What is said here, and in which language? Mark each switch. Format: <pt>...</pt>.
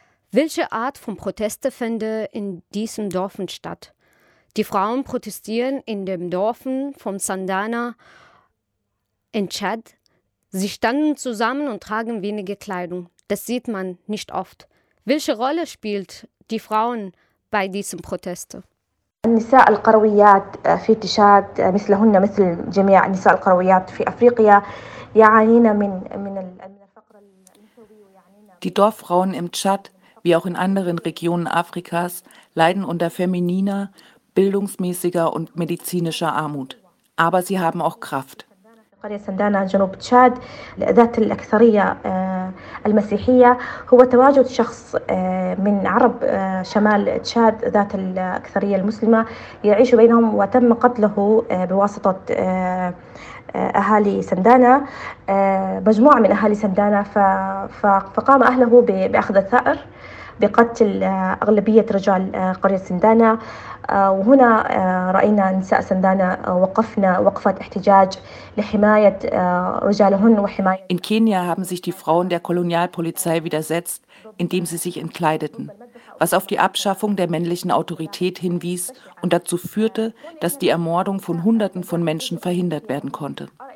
<de>Welche Art von Proteste finden in diesem Dorf statt? Die Frauen protestieren in dem Dorf von Sandana in Tschad. Sie standen zusammen und tragen wenige Kleidung. Das sieht man nicht oft. Welche Rolle spielt die Frauen bei diesen Protesten?</de> <ar>النساء القرويات في تشاد مثلهن مثل جميع النساء القرويات في أفريقيا يعانين من الفقر الأنثوي ويعانين.</ar> <de>Die Dorffrauen im Tschad, wie auch in anderen Regionen Afrikas, leiden unter femininer, bildungsmäßiger und medizinischer Armut. Aber sie haben auch Kraft.</de> <ar>قرية سندانا جنوب تشاد ذات الأكثرية المسيحية هو تواجد شخص من عرب شمال تشاد ذات الأكثرية المسلمة يعيش بينهم وتم قتله بواسطة أهالي سندانا مجموعة من أهالي سندانا فقام أهله بأخذ الثأر بقتل أغلبية رجال قرية سندانا وهنا رأينا نساء سندانا وقفنا وقفة احتجاج لحماية رجالهن وحماية.</ar> <de>In Kenia haben sich die Frauen der Kolonialpolizei widersetzt, indem sie sich entkleideten, was auf die Abschaffung der männlichen Autorität hinwies und dazu führte, dass die Ermordung von Hunderten von Menschen verhindert werden konnte.</de>